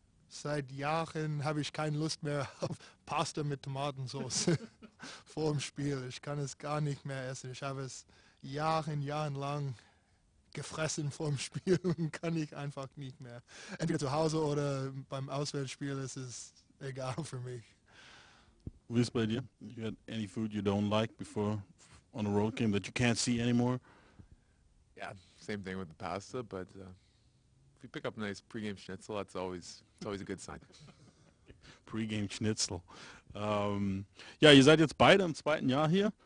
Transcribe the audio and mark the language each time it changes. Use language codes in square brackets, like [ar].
[de] Seit Jahren habe ich keine Lust mehr auf Pasta mit Tomatensauce vor dem Spiel. Ich kann es gar nicht mehr essen. Ich habe es jahrelang gefressen vor dem Spiel und kann ich einfach nicht mehr. Entweder zu Hause oder beim Auswärtsspiel, es ist egal für mich. Wie ist bei dir? [en] You had any food you don't like before on a road game that you can't see anymore? Yeah, same thing with the pasta, but if you pick up a nice pregame schnitzel, that's always... It's always a good sign. Pre-game Schnitzel. [de] Ja, ihr seid jetzt beide im zweiten Jahr hier.